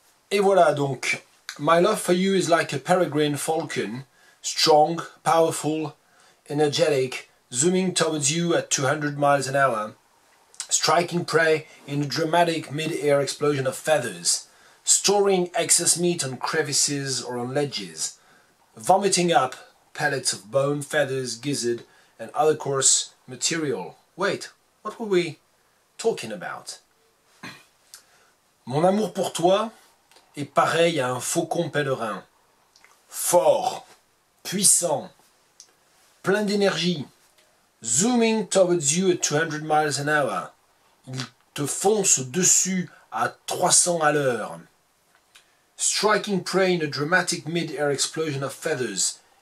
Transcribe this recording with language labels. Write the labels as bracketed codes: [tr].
[fr] Et voilà donc, [en] my love for you is like a peregrine falcon, strong, powerful, energetic, zooming towards you at 200 miles an hour, striking prey in a dramatic mid-air explosion of feathers, storing excess meat on crevices or on ledges, vomiting up pellets of bone, feathers, gizzard, and other coarse material. Wait, what were we talking about? [fr] Mon amour pour toi est pareil à un faucon pèlerin. Fort, puissant, plein d'énergie, [en] zooming towards you at 200 miles an hour. [fr] Il te fonce dessus à 300 à l'heure. [en] Striking prey in a dramatic mid-air explosion of feathers.